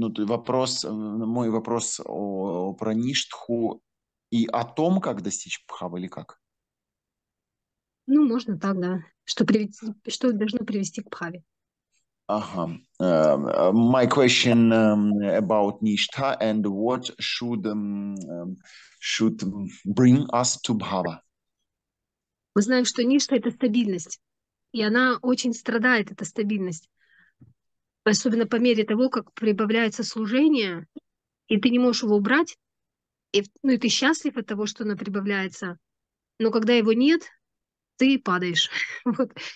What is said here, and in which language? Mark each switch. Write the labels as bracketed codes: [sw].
[ru] Мой вопрос про Ништху и о том, как достичь бхавы или как? Ну, можно так, да. Что должно привести к бхаве. [en] My question about Nishtha and what should bring us to Bhava. [ru] Мы знаем, что Ништа — это стабильность, и она очень страдает, эта стабильность. Особенно по мере того, как прибавляется служение, и ты не можешь его убрать, и ты счастлив от того, что оно прибавляется, но когда его нет, ты падаешь. Вот.